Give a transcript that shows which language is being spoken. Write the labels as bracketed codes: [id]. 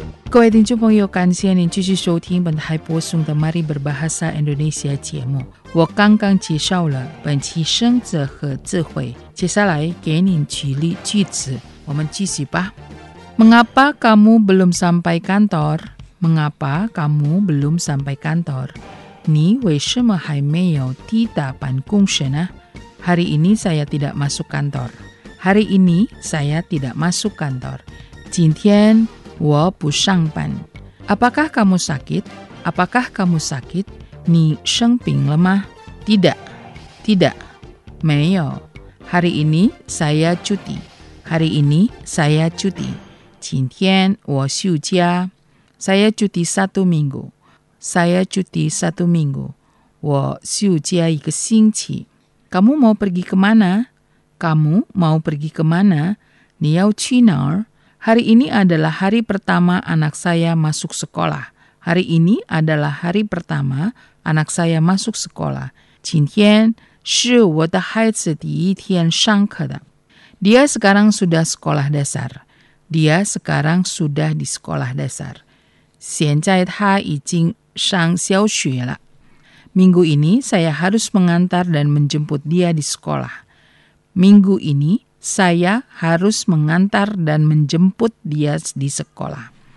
[zh] 各位听众朋友，感谢您继续收听本台播送的 Mari Berbahasa Indonesia 节目。我刚刚介绍了本期生字和智慧，接下来给您举例句子，我们继续吧。 [id] Mengapa kamu belum sampai kantor? Mengapa kamu belum sampai kantor? [zh] 你为什么还没有抵达办公室呢？ [id] Hari ini saya tidak masuk kantor. Hari ini saya tidak masuk kantor. [zh] 今天我不上班。 [id] Apakah kamu sakit? Apakah kamu sakit? [zh] 你生病了吗？ [id] Tidak. Tidak. [zh] 没有。 [id] Hari ini saya cuti. Hari ini saya cuti. [zh] 今天我休假。 [id] Saya cuti satu minggu. Saya cuti satu minggu. [zh] 我休假一个星期。 [id] Kamu mau pergi kemana? Kamu mau pergi kemana? [zh] 你要去哪儿？ [id] Hari ini adalah hari pertama anak saya masuk sekolah. Hari ini adalah hari pertama anak saya masuk sekolah. [zh] 今天是我的孩子第一天上课的。 [id] Dia sekarang sudah sekolah dasar. Dia sekarang sudah di sekolah dasar. [zh] 现在他已经上小学了。 [id] Minggu ini saya harus mengantar dan menjemput dia di sekolah. Minggu ini,Saya harus mengantar dan menjemput dia di sekolah.